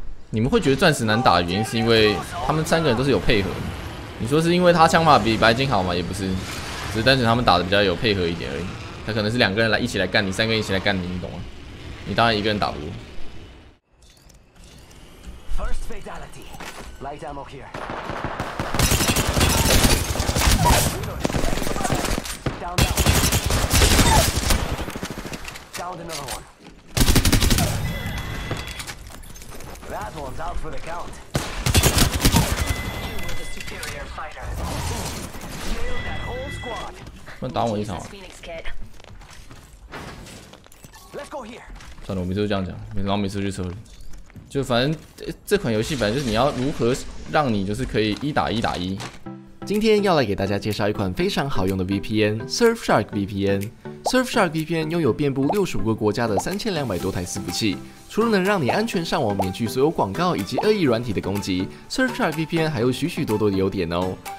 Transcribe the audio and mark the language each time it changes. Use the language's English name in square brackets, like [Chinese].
[Chinese] 你们会觉得钻石难打的原因是因为他们三个人都是有配合。你说是因为他枪法比白金好吗？也不是，只是单纯他们打的比较有配合一点而已。他可能是两个人来一起来干你，三个人一起来干你，你懂吗？你当然一个人打不过。 [English] First fatality, light ammo here. Down another one. That one's out for the count. You were the superior fighter. Nailed that whole squad. [Chinese] 不然打我一场啊。算了，我每次都这样讲，然后每次去撤离。就反正 这款游戏，反正就是你要如何让你就是可以一打一打一。今天要来给大家介绍一款非常好用的 VPN Surfshark VPN。 Surfshark VPN 拥有遍布65个国家的3200多台伺服器，除了能让你安全上网，免去所有广告以及恶意软体的攻击， Surfshark VPN 还有许许多多的优点哦。